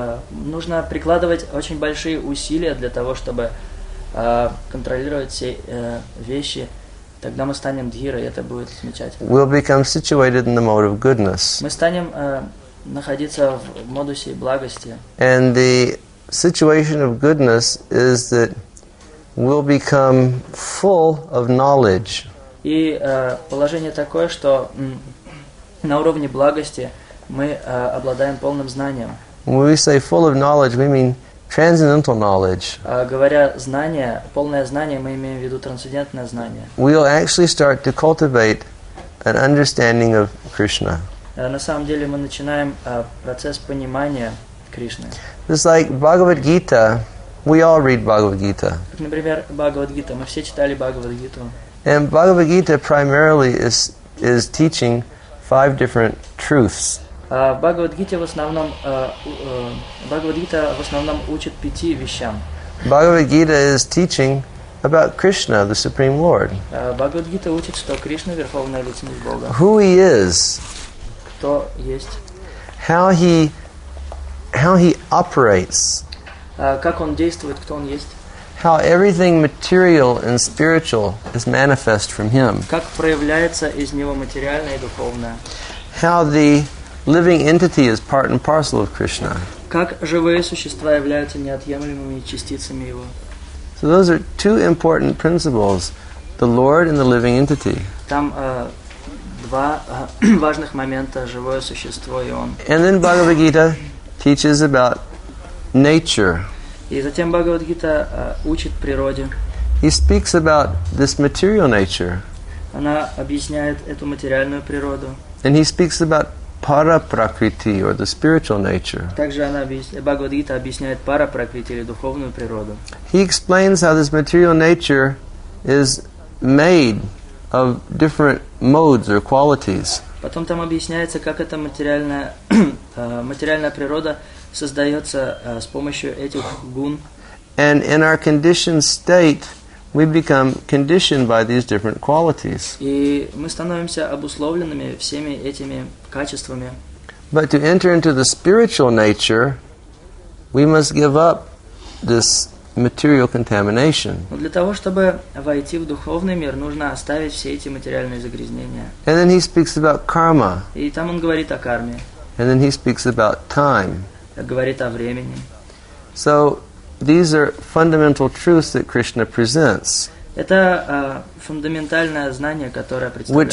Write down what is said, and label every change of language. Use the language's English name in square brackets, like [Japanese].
[Russian] Нужно прикладывать очень большие усилия для того, чтобы контролировать все вещи. Тогда мы станем Дира, и это будет замечательно. [English] We'll become situated in the mode of goodness. [Russian] Мы станем находиться в модусе благости. [English] And the situation of goodness is that we'll become full of knowledge. [Russian] И положение такое, что на уровне благости мы обладаем полным знанием. [English] When we say full of knowledge, we mean transcendental knowledge. [Russian] Говоря знание, полное знание, мы имеем в виду трансцендентное знание. [English] We'll actually start to cultivate an understanding of Krishna. [Russian] На самом деле мы начинаем процесс понимания Кришны. [English] It's like Bhagavad Gita. We all read Bhagavad Gita. [Russian] Например, Bhagavad Gita. Мы все читали Bhagavad Gita. [English] And Bhagavad Gita primarily is teaching five different truths. [Russian] Bhagavad Gita в основном учит пяти вещам. [English] Bhagavad Gita is teaching about Krishna, the Supreme Lord. [Russian] Bhagavad Gita учит, что Кришна — верховная личность Бога. [English] Who he is. [Russian] Кто есть. [English] How he operates. [Russian] Как он действует, кто он есть. [English] How everything material and spiritual is manifest from him. [Russian] Как проявляется из него материальное и духовное. [English] How the living entity is part and parcel of Krishna. [Russian] Как живые существа являются неотъемлемыми частицами его. [English] So those are two important principles, the Lord and the living entity. [Russian] Там два важных момента: живое существо и он. [English] And then Bhagavad Gita teaches about nature. [Russian] И затем Бхагавад Гита учит природе. [English] He speaks about this material nature. [Russian] Она объясняет эту материальную природу. [English] And he speaks about para-prakriti, or the spiritual nature. [Russian] Также Бхагавад Гита объясняет para-prakriti, или духовную природу. [English] He explains how this material nature is made of different modes or qualities. [Russian] Потом там объясняется, как эта материальная, материальная природа создается с помощью этих гун. [English] And in our conditioned state, we become conditioned by these different qualities. [Russian] И мы становимся обусловленными всеми этими качествами. [English] But to enter into the spiritual nature, we must give up this material contamination. [Russian] Но для того, чтобы войти в духовный мир, нужно оставить все эти материальные загрязнения. [English] And then he speaks about karma. [Russian] И там он говорит о карме. [English] And then he speaks about time. [Russian] Говорит о времени. [English] So these are fundamental truths that Krishna presents. [Russian] Это фундаментальное знание, которое представляет